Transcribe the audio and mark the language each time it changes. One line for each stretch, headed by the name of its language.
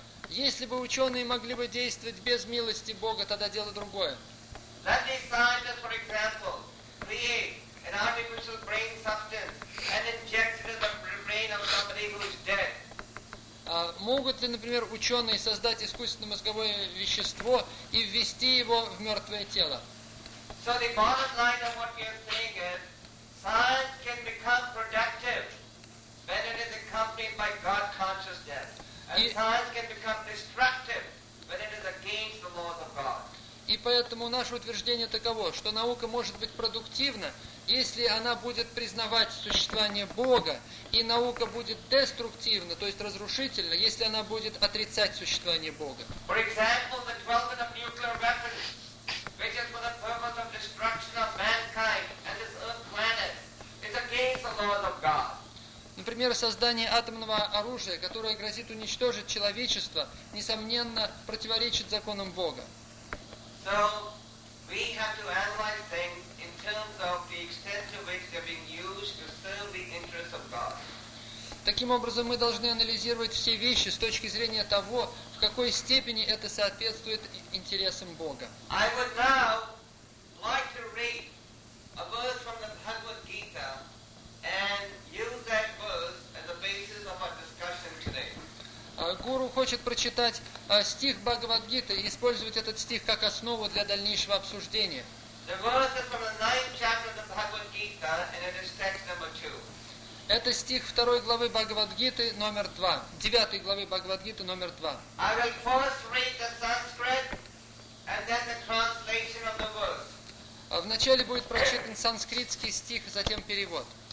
Russian: Если бы ученые могли бы действовать без милости Бога, тогда дело другое.
English: Let the scientists, for example, create an artificial brain substance and inject it in the brain of somebody who is dead.
Russian: Могут ли, например, ученые создать искусственное мозговое вещество и ввести его в мертвое тело?
English: So the bottom line of what we are saying is, science can become productive when it is accompanied by God consciousness. And science can become destructive when it is against the laws of God.
Russian: И поэтому наше утверждение таково, что наука может быть продуктивна, если она будет признавать существование Бога, и наука будет деструктивна, то есть разрушительна, если она будет отрицать существование Бога.
English: For example, the development of nuclear weapons, which is for the purpose of destruction of mankind and this earth planet, is against the laws of God.
Russian: Например, создание атомного оружия, которое грозит уничтожить человечество, несомненно, противоречит законам Бога.
English: So we have to analyze things in terms of the extent to which they're being used to serve the interests of God.
Russian: Таким образом, мы должны анализировать все вещи с точки зрения того, в какой степени это соответствует интересам Бога.
English: I would now like to read a verse from the Bhagavad Gita and use that verse as the basis of our discussion today.
Russian: Гуру хочет прочитать стих Бхагавад-гиты и использовать этот стих как основу для дальнейшего обсуждения.
English: The verse is from the 9th chapter of the Bhagavad-gita, and it is text number 2.
Russian: Это стих 2 главы Бхагавад-гиты номер 2. 9 главы Бхагавад-гиты номер 2.
English: I will first read the Sanskrit and then the translation of the verse.
Russian: Вначале будет прочитан санскритский стих, затем перевод.